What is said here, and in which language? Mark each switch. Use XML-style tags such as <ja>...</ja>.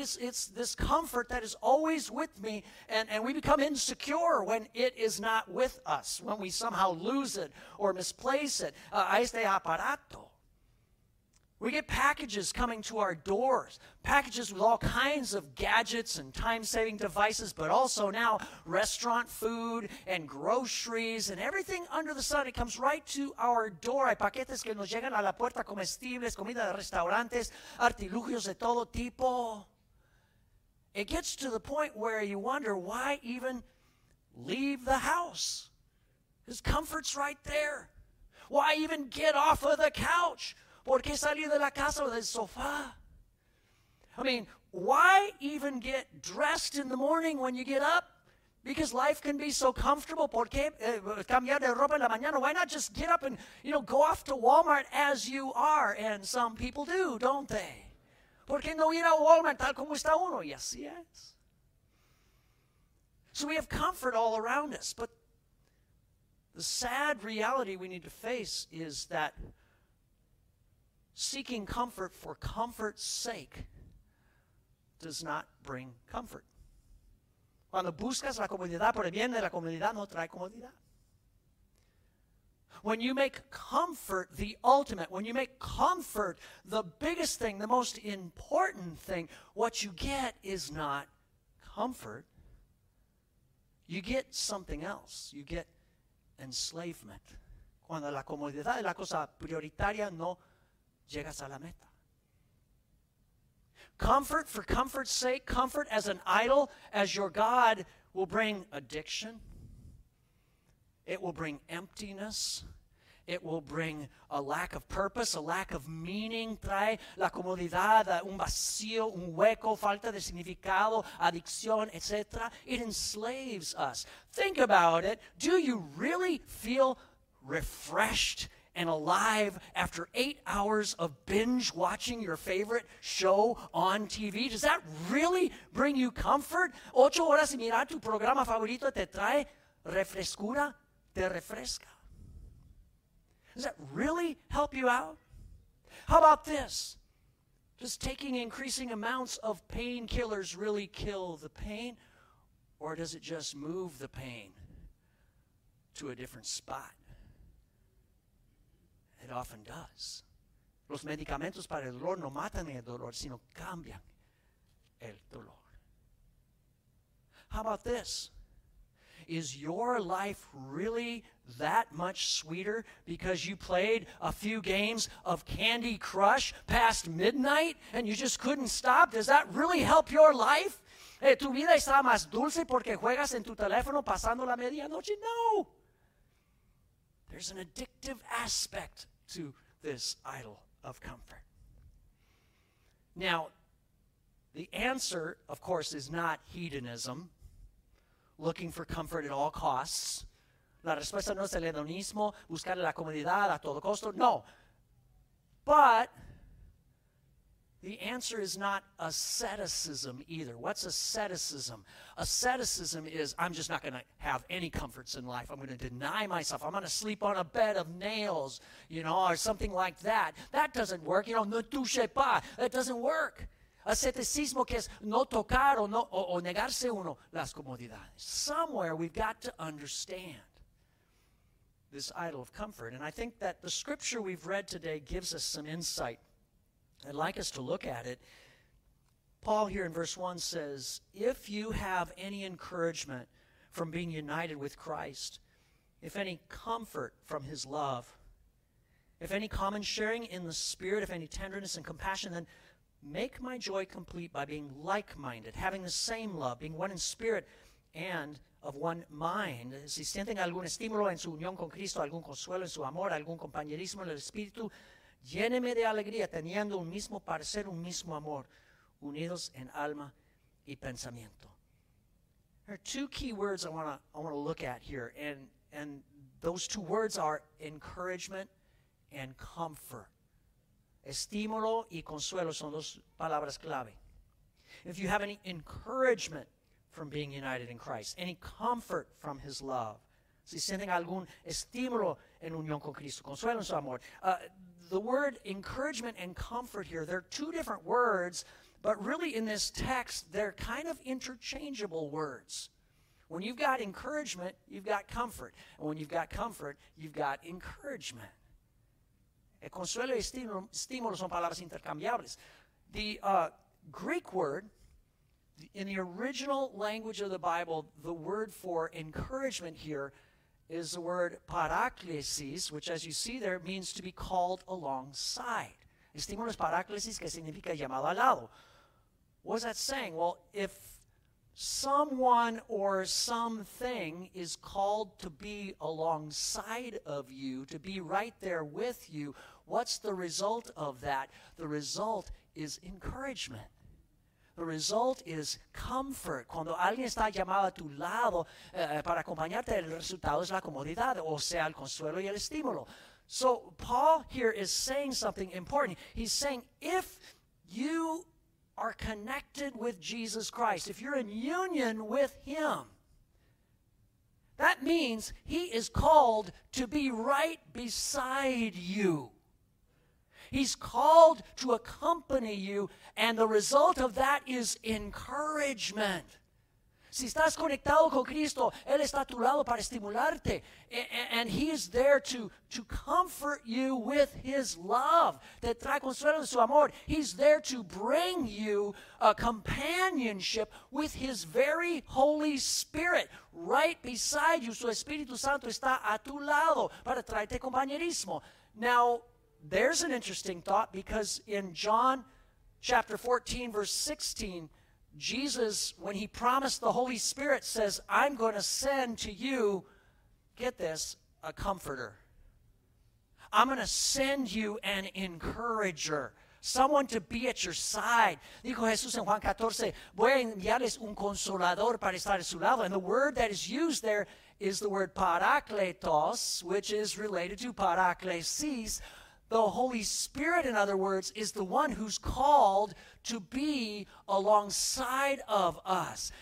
<en>It's this comfort that is always with me, and we become insecure when it is not with us, when we somehow lose it or misplace it.</en> <es>A este aparato.</es> <en>We get packages coming to our doors, packages with all kinds of gadgets and time-saving devices, but also now restaurant food and groceries and everything under the sun. It comes right to our door.</en> <es>Hay paquetes que nos llegan a la puerta, comestibles, comida de restaurantes, artilugios de todo tipo.</es> <en>It gets to the point where you wonder why even leave the house. His comfort's right there. Why even get off of the couch?</en> <es>¿Por qué salir de la casa o del sofá?</es> <en>I mean, why even get dressed in the morning when you get up? Because life can be so comfortable.</en> <es>¿Por qué cambiar de ropa en la mañana?</es> <en>Why not just get up and, you know, go off to Walmart as you are? And some people do, don't they?</en> <es>¿Por qué no ir a Walmart tal como está uno? Y así es.</es> <en>So we have comfort all around us. But the sad reality we need to face is that seeking comfort for comfort's sake does not bring comfort.</en> <es>Cuando buscas la comodidad por el bien de la comodidad, no trae comodidad.</es> <en>When you make comfort the ultimate, when you make comfort the biggest thing, the most important thing, what you get is not comfort. You get something else. You get enslavement.</en> <es>Cuando la comodidad es la cosa prioritaria, no llegas a la meta.</es> <en>Comfort for comfort's sake, comfort as an idol, as your God, will bring addiction. It will bring emptiness. It will bring a lack of purpose, a lack of meaning.</en> <es>Trae la comodidad, un vacío, un hueco, falta de significado, adicción, etc.</es> <en>It enslaves us. Think about it. Do you really feel refreshed and alive after 8 hours of binge watching your favorite show on TV? Does that really bring you comfort?</en> <es>8 horas y mirar tu programa favorito te trae refrescura, te refresca.</es> <en>Does that really help you out? How about this? Does taking increasing amounts of painkillers really kill the pain? Or does it just move the pain to a different spot? It often does.</en> <es>Los medicamentos para el dolor no matan el dolor, sino cambian el dolor.</es> <en>How about this? Is your life really that much sweeter because you played a few games of Candy Crush past midnight and you just couldn't stop? Does that really help your life?</en> <es>¿Tu vida está más dulce porque juegas en tu teléfono pasando la medianoche?</es> <en>No. There's an addictive aspect to this idol of comfort. Now, the answer, of course, is not hedonism, looking for comfort at all costs.</en> <es>La respuesta no es el hedonismo, buscar la comodidad a todo costo.</es> <en>No. But the answer is not asceticism either. What's asceticism? Asceticism is, I'm just not going to have any comforts in life. I'm going to deny myself. I'm going to sleep on a bed of nails, you know, or something like that. That doesn't work. You know,</en> <fr>ne touche pas.</fr> <en>That doesn't work.</en> <es>Asceticismo, que es no tocar o negarse uno las comodidades.</es> <en>Somewhere we've got to understand this idol of comfort. And I think that the scripture we've read today gives us some insight. I'd like us to look at it. Paul here in verse 1 says, if you have any encouragement from being united with Christ, if any comfort from his love, if any common sharing in the Spirit, if any tenderness and compassion, then make my joy complete by being like-minded, having the same love, being one in spirit and of one mind.</en> <es>Si sienten algún estímulo en su unión con Cristo, algún consuelo en su amor, algún compañerismo en el Espíritu, lléneme de alegría, teniendo un mismo parecer, un mismo amor, unidos en alma y pensamiento.</es> <en>There are two key words I want to look at here, and those two words are encouragement and comfort.</en> <es>Estímulo y consuelo son dos palabras clave.</es> <en>If you have any encouragement from being united in Christ, any comfort from his love,</en> <es>si sienten algún estímulo en unión con Cristo, consuelo en su amor.</es> <en>The word encouragement and comfort here, they're two different words, but really in this text, they're kind of interchangeable words. When you've got encouragement, you've got comfort. And when you've got comfort, you've got encouragement.</en> <es>E consuelo e stimolo sono parole intercambiabili.</es> <en>The Greek word, in the original language of the Bible, the word for encouragement here is the word paraklesis, which as you see there means to be called alongside.</en> <es>Estímulo es paraklesis, que significa llamado al lado.</es> <en>What is that saying? Well, if someone or something is called to be alongside of you, to be right there with you, what's the result of that? The result is encouragement. The result is comfort.</en> <es>Cuando alguien está llamado a tu lado para acompañarte, el resultado es la comodidad, o sea, el consuelo y el estímulo.</es> <en>So Paul here is saying something important. He's saying if you are connected with Jesus Christ, if you're in union with him, that means he is called to be right beside you. He's called to accompany you, and the result of that is encouragement.</en> <es>Si estás conectado con Cristo, Él está a tu lado para estimularte.</es> <en>And He is there to comfort you with His love.</en> <es>Te trae consuelo de su amor.</es> <en>He's there to bring you a companionship with His very Holy Spirit right beside you.</en> <es>Su Espíritu Santo está a tu lado para traerte compañerismo.</es> <en>Now, there's an interesting thought, because in John chapter 14, verse 16, Jesus, when he promised the Holy Spirit, says, I'm going to send to you, get this, a comforter. I'm going to send you an encourager, someone to be at your side.</en> <es>Dijo Jesús en Juan 14, voy a enviarles un consolador para estar a su lado.</es> <en>And the word that is used there is the word parakletos, which is related to paraklesis. The Holy Spirit, in other words, is the one who's called to be alongside of us.</en>